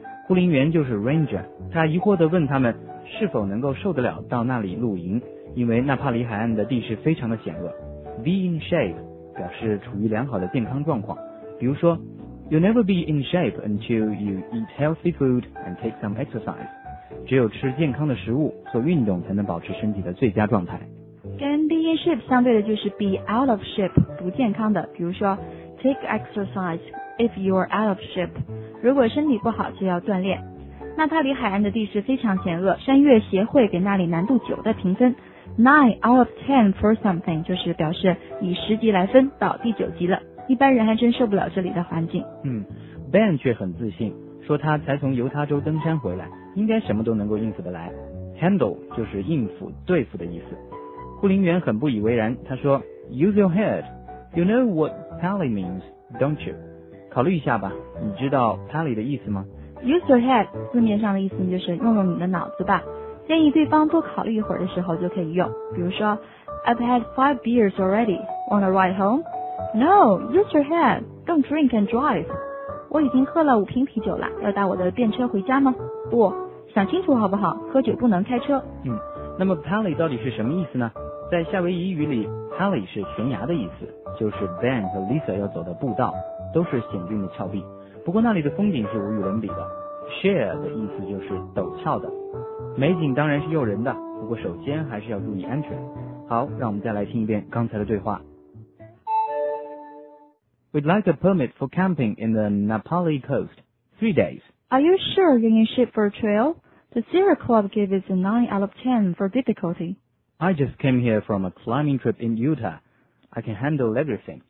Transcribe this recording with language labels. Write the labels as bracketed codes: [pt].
[zh] 护林员就是 ranger， 他疑惑地问他们是否能够受得了到那里露营，因为纳帕里海岸的地势非常的险恶。Be in shape 表示处于良好的健康状况， [en] 比如说 You'll never be in shape until you eat healthy food and take some exercise. [zh] 只有吃健康的食物，做运动，才能保持身体的最佳状态。跟 be in shape 相对的就是 be out of shape, 不健康的。 [en] 比如说 take exercise if you're out of shape. [zh] 如果身体不好就要锻炼。那它离海岸的地势非常险恶，山岳协会给那里难度9的评分。 [en] 9 out of 10 for something [zh] 就是表示以十级来分到第九级了，一般人还真受不了这里的环境。嗯 ，Ben 却很自信，说他才从犹他州登山回来，应该什么都能够应付得来。 Handle 就是应付、对付的意思。护林员很不以为然，他说 ： [en] “Use your head. You know what Pally means, don't you？” [zh] 考虑一下吧，你知道 Pally 的意思吗？Use your head 字面上的意思就是用用你的脑子吧。建议对方多考虑一会儿的时候就可以用，比如说 [en] I've had 5 beers already, wanna ride home? No, use your head, don't drink and drive. [zh] 我已经喝了5瓶啤酒了，要搭我的便车回家吗？不，想清楚好不好，喝酒不能开车。那么 Pally 到底是什么意思呢？在夏威夷语里 Pally 是悬崖的意思，就是 Ben 和 Lisa 要走的步道，都是险峻的峭壁，不过那里的风景是无与伦比的。 Share 的意思就是陡峭的，美景当然是诱人的，不过首先还是要注意安全。好，让我们再来听一遍刚才的对话。 [en] We'd like a permit for camping in the Napali coast. 3 days. Are you sure you need ship for a trail? The Sierra Club gave us a 9 out of 10 for difficulty. I just came here from a climbing trip in Utah. I can handle everything.